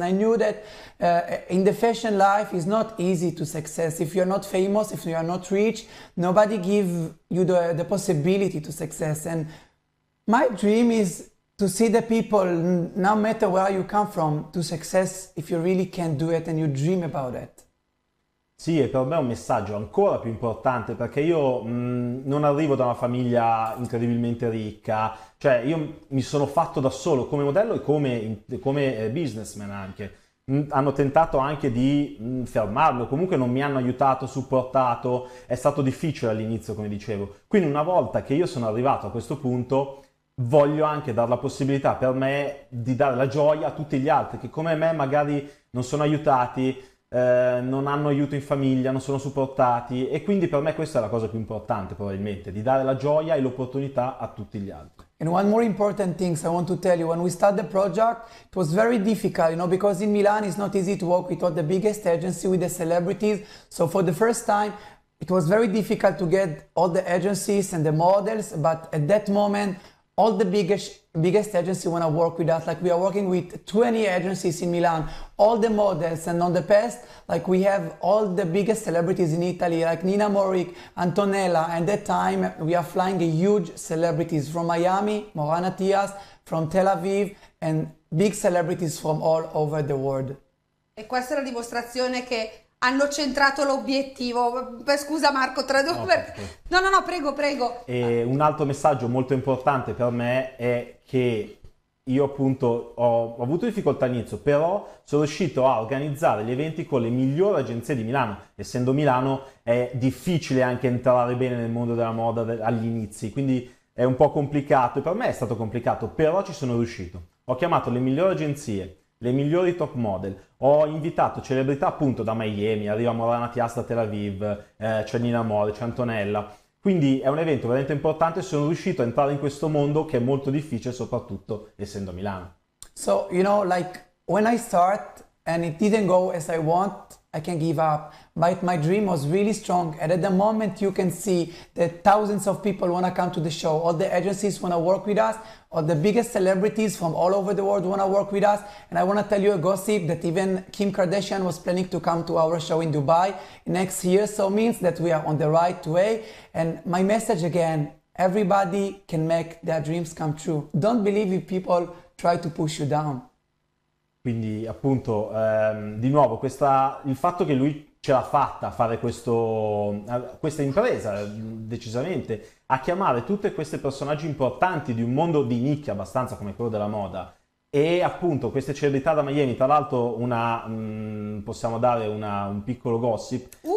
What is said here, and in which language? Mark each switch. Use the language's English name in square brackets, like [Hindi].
[English] And I knew that in the fashion life, it's not easy to success. If you're not famous, if you are not rich, nobody give you the possibility to success. And my dream is to see the people, no matter where you come from, to success, if you really can do it and you dream about it. [Italian] Sì, e per me è un messaggio ancora più importante, perché io non arrivo da una famiglia incredibilmente ricca, cioè io mi sono fatto da solo come modello e come businessman anche. Hanno tentato anche di fermarlo, comunque non mi hanno aiutato, supportato, è stato difficile all'inizio, come dicevo. Quindi una volta che io sono arrivato a questo punto, voglio anche dare la possibilità per me di dare la gioia a tutti gli altri che come me magari non sono aiutati, non hanno aiuto in famiglia, non sono supportati e quindi per me questa è la cosa più importante probabilmente, di dare la gioia e l'opportunità a tutti gli altri. [English] And one more important thing I want to tell you, when we started the project, it was very difficult, you know, because in Milan it's not easy to work with all the biggest agency with the celebrities. So for the first time, it was very difficult to get all the agencies and the models, but at that moment, all the biggest agency want to work with us. Like we are working with 20 agencies in Milan, all the models, and on the past, like we have all the biggest celebrities in Italy, like Nina Morik, Antonella, and that time we are flying huge celebrities from Miami, Morana Tias, from Tel Aviv, and big celebrities from all over the world. [Italian] E questa è la dimostrazione che hanno centrato l'obiettivo. Scusa Marco, tradurre. No, perfetto. No, no, no, prego, prego. E un altro messaggio molto importante per me è che io appunto ho avuto difficoltà all'inizio, però sono riuscito a organizzare gli eventi con le migliori agenzie di Milano. Essendo Milano è difficile anche entrare bene nel mondo della moda agli inizi, quindi è un po' complicato e per me è stato complicato, però ci sono riuscito. Ho chiamato le migliori agenzie, le migliori top model. Ho invitato celebrità appunto da Miami, arriva Morana Tias da Tel Aviv, c'è Nina More, c'è Antonella. Quindi è un evento veramente importante e sono riuscito a entrare in questo mondo che è molto difficile, soprattutto essendo a Milano. [English] So, you know, like when I start and it didn't go as I want, I can give up. But my dream was really strong. And at the moment, you can see that thousands of people want to come to the show. All the agencies want to work with us. All the biggest celebrities from all over the world want to work with us. And I want to tell you a gossip that even Kim Kardashian was planning to come to our show in Dubai next year. So it means that we are on the right way. And my message again, everybody can make their dreams come true. Don't believe if people try to push you down. [Italian] Quindi appunto, di nuovo, il fatto che lui ce l'ha fatta a fare questa impresa, decisamente, a chiamare tutti questi personaggi importanti di un mondo di nicchia abbastanza come quello della moda, e appunto queste celebrità da Miami, tra l'altro possiamo dare un piccolo gossip,